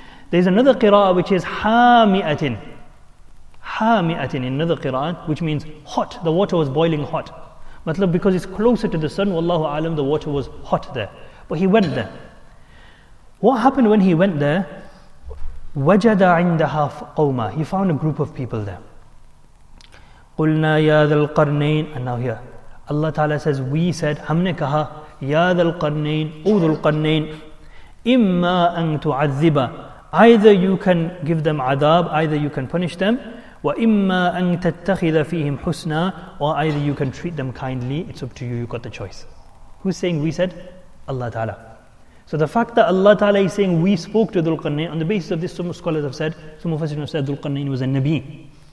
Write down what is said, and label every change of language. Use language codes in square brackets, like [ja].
[en] There's another qira'ah which is hami'atin. Hami'atin in another qira'ah, which means hot. The water was boiling hot. Matlab, because it's closer to the sun, wallahu alam, the water was hot there. But he went there. What happened when he went there? [ar] وَجَدَ عِنْدَهَا قَوْمًا. [en] He found a group of people there. [ar] قُلْنَا يَا ذَا الْقَرْنَيْنِ. [en] And now here, Allah Ta'ala says, we said, [ar] هَمْنَا كَهَا يَا ذَا الْقَرْنَيْنِ أُوذُ الْقَرْنَيْنِ إِمَّا أَنْ تُعَذِّبَ. [en] Either you can give them adab, either you can punish them. [ar] وَإِمَّا أَنْ تَتَّخِذَ فِيهِمْ حُسْنًا. [en] Or either you can treat them kindly. It's up to you, you've got the choice. Who's saying we said? Allah Ta'ala. So the fact that Allah Ta'ala is saying we spoke to Dhul-Qarnayn, on the basis of this, some scholars have said, some Mufassirun have said Dhul-Qarnayn was a Nabi.